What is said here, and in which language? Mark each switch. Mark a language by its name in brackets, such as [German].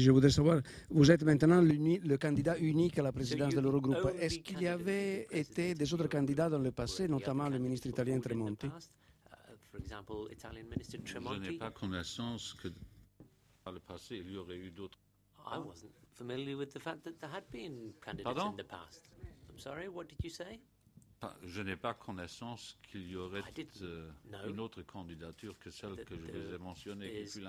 [French] Je voudrais savoir, vous êtes maintenant le candidat unique à la présidence de l'Eurogroupe. Est-ce qu'il y avait été des autres candidats dans le passé, notamment le ministre italien Tremonti? Je n'ai pas connaissance que par le passé, il y aurait eu d'autres. [English] I wasn't familiar with the fact that there had been candidates [French] Pardon? [English] In the past. I'm sorry, what did you say? [French] Je n'ai pas connaissance qu'il y aurait une autre candidature que celle que je vous ai mentionnée.